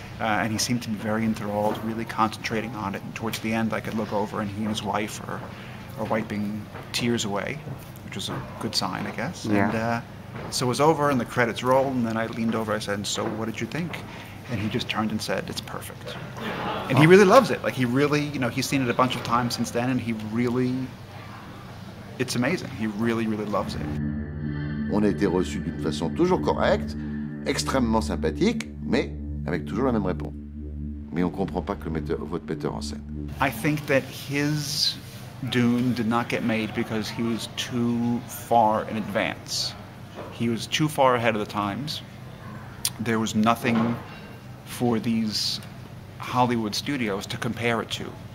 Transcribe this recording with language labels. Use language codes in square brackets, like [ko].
[en] And he seemed to be very enthralled, really concentrating on it. And towards the end, I could look over, and he and his wife are wiping tears away, which was a good sign, I guess. Yeah. And so it was over, and the credits rolled, and then I leaned over. I said, so what did you think? And he just turned and said, it's perfect. And he really loves it. Like, he really, you know, he's seen it a bunch of times since then, and he really, it's amazing. He really, really loves it. [fr] On a été reçu d'une façon toujours correcte, extrêmement sympathique, mais... avec toujours la même réponse. Mais on ne comprend pas que votre metteur en scène. [en] I think that his Dune did not get made because he was too far in advance. He was too far ahead of the times. There was nothing for these Hollywood studios to compare it to.